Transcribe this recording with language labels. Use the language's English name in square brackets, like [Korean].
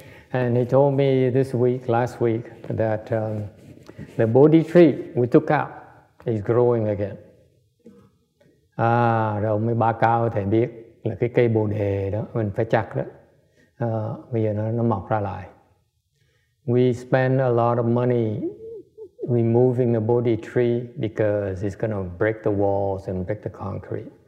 [English] And he told me this week, last week, that the Bodhi tree we took out is growing again. [Vietnamese] À, rồi ông mới báo cáo thầy biết là cái cây bồ đề đó mình phải chặt đó. Bây giờ nó mọc ra lại. [English] We spend a lot of money removing the Bodhi tree because it's going to break the walls and break the concrete.